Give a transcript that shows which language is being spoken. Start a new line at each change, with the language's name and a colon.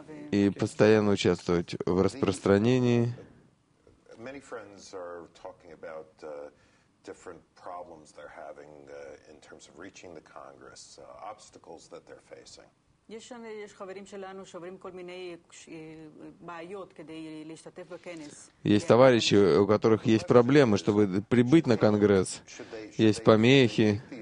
Russian: И постоянно участвовать в распространении.
English: Many friends are talking about different problems they're having in terms of reaching the Congress, obstacles that they're facing.
Russian: Есть товарищи, у которых есть проблемы, чтобы прибыть на конгресс. Есть помехи.